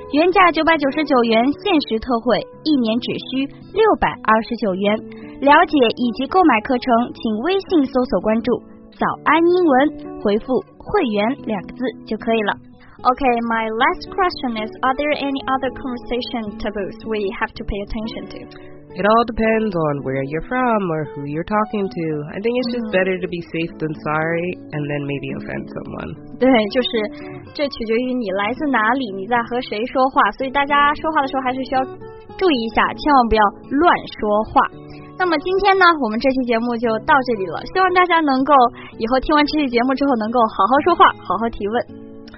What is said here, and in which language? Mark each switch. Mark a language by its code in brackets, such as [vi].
[zh] 原价999元，限时特惠，一年只需629元。了解以及购买课程，请微信搜索关注“早安英文”，回复“会员”两个字就可以了。 [en] Okay, my last question is, are there any other conversation taboos we have to pay attention to? It all depends on where you're from or who you're talking to. I think it's just better to be safe than sorry and then maybe offend someone. [zh] 对，就是这取决于你来自哪里，你在和谁说话，所以大家说话的时候还是需要注意一下，千万不要乱说话。那么今天呢，我们这期节目就到这里了，希望大家能够以后听完这期节目之后能够好好说话，好好提问。